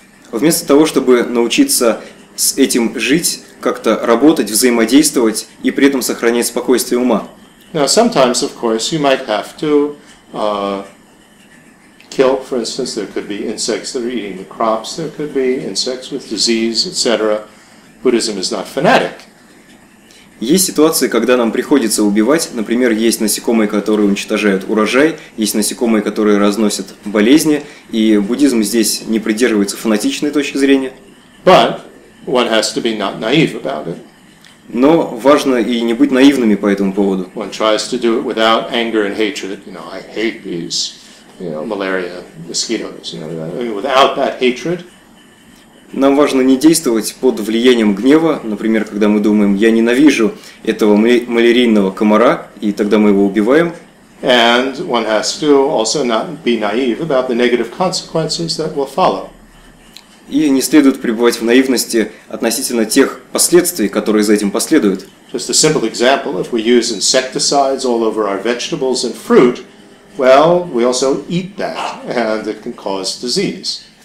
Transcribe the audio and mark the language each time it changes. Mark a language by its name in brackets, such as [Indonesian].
[Russian] Вместо того, чтобы научиться с этим жить, как-то работать, взаимодействовать и при этом сохранять спокойствие ума. [English] Now, sometimes, of course, you might have to kill, for instance, there could be insects that are eating the crops, there could be insects with disease, etc. Buddhism is not fanatic. [Russian] Есть ситуации, когда нам приходится убивать, например, есть насекомые, которые уничтожают урожай, есть насекомые, которые разносят болезни, и буддизм здесь не придерживается фанатичной точки зрения. [English] But one has to be not naive about it. [Russian] Но важно и не быть наивными по этому поводу. [English] One tries to do it without anger and hatred. You know, I hate bees, you know, malaria, mosquitoes, you know, without that hatred. [Russian] Нам важно не действовать под влиянием гнева, например, когда мы думаем, я ненавижу этого малярийного комара, и тогда мы его убиваем. [English] And one has to also not be naive about the negative consequences that will follow. [Russian] И не следует пребывать в наивности относительно тех последствий, которые за этим последуют. [English] Just a simple example, if we use insecticides all over our vegetables and fruit, well, we also eat that, and it can cause disease.